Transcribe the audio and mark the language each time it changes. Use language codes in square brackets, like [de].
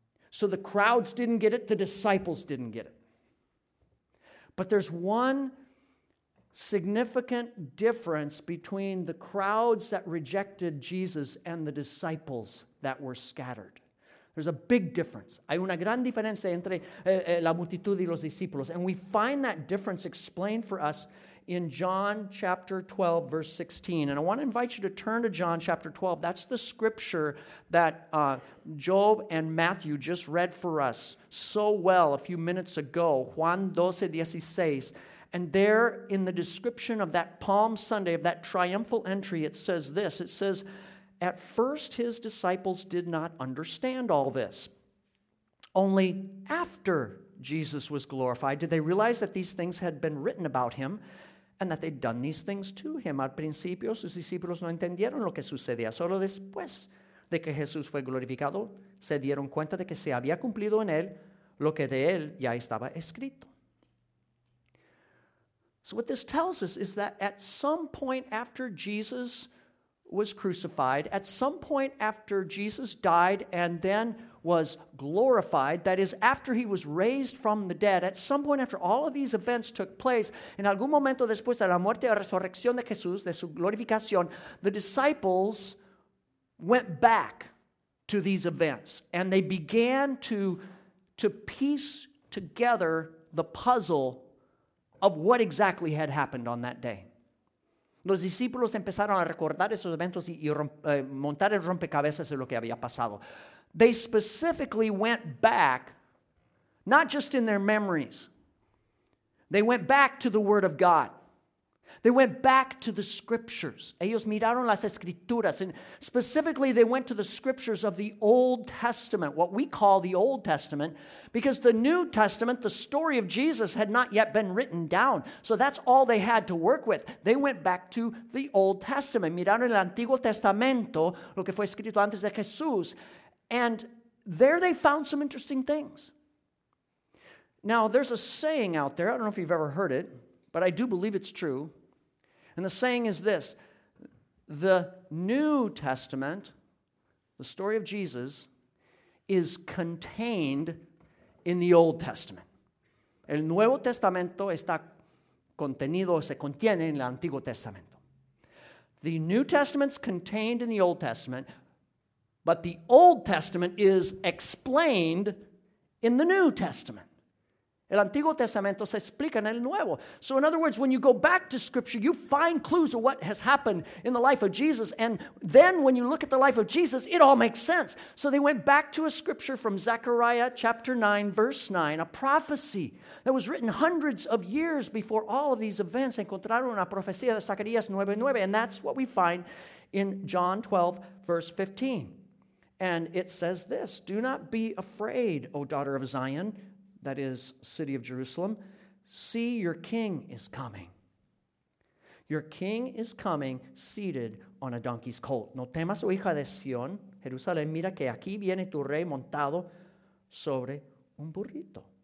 [en] So the crowds didn't get it, the disciples didn't get it. But there's one significant difference between the crowds that rejected Jesus and the disciples that were scattered. There's a big difference. [es] Hay una gran diferencia entre la multitud y los discípulos. [en] And we find that difference explained for us in John chapter 12, verse 16. And I want to invite you to turn to John chapter 12. That's the scripture that Job and Matthew just read for us so well a few minutes ago, Juan 12, 16. And there in the description of that Palm Sunday, of that triumphal entry, it says this. It says, at first his disciples did not understand all this. Only after Jesus was glorified did they realize that these things had been written about him, and that they'd done these things to him. [es] Al principio, sus discípulos no entendieron lo que sucedía. Solo después de que Jesús fue glorificado, se dieron cuenta de que se había cumplido en él lo que de él ya estaba escrito. [en] So what this tells us is that at some point after Jesus was crucified, at some point after Jesus died and then was glorified, that is, after he was raised from the dead, at some point after all of these events took place, [es] en algún momento después de la muerte o resurrección de Jesús, de su glorificación, [en] the disciples went back to these events, and they began to piece together the puzzle of what exactly had happened on that day. [es] Los discípulos empezaron a recordar esos eventos y montar el rompecabezas de lo que había pasado. [en] They specifically went back, not just in their memories. They went back to the Word of God. They went back to the scriptures. [es] Ellos miraron las escrituras. [en] And specifically, they went to the scriptures of the Old Testament, what we call the Old Testament, because the New Testament, the story of Jesus, had not yet been written down. So that's all they had to work with. They went back to the Old Testament. [es] Miraron el Antiguo Testamento, lo que fue escrito antes de Jesús. [en] And there they found some interesting things. Now, there's a saying out there. I don't know if you've ever heard it, but I do believe it's true. And the saying is this: the New Testament, the story of Jesus, is contained in the Old Testament. [es] El Nuevo Testamento está contenido, se contiene en el Antiguo Testamento. [en] The New Testament's contained in the Old Testament, but the Old Testament is explained in the New Testament. [es] El Antiguo Testamento se explica en el Nuevo. [en] So in other words, when you go back to Scripture, you find clues of what has happened in the life of Jesus. And then when you look at the life of Jesus, it all makes sense. So they went back to a Scripture from Zechariah chapter 9, verse 9, a prophecy that was written hundreds of years before all of these events. [es] Encontraron una profecía de Zacarías 9:9, [en] and that's what we find in John 12, verse 15. And it says this: "Do not be afraid, O daughter of Zion," that is, city of Jerusalem, "see, your king is coming. Your king is coming seated on a donkey's colt." [es] No temas, oh hija de Sion, Jerusalén, mira que aquí viene tu rey montado sobre un burrito.